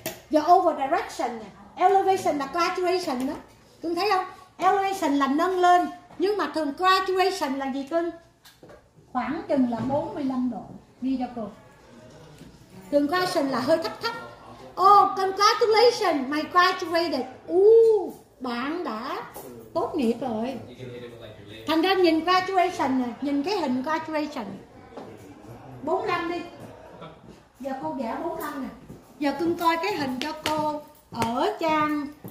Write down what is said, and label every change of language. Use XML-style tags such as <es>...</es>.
<vi>Giờ over direction nè. Elevation là graduation đó. Cưng thấy không? Elevation là nâng lên. Nhưng mà thường graduation là gì cưng? Khoảng chừng là 45 độ. Ghi cho cô. Thường graduation là hơi thấp thấp.</vi> <en>Oh, congratulations, my graduated.</en> <vi>Bạn đã tốt nghiệp rồi. Thành ra nhìn graduation nè, nhìn cái hình graduation. 45 đi. Giờ cô giả 45 nè. Giờ cưng coi cái hình cho cô ở trang...</vi>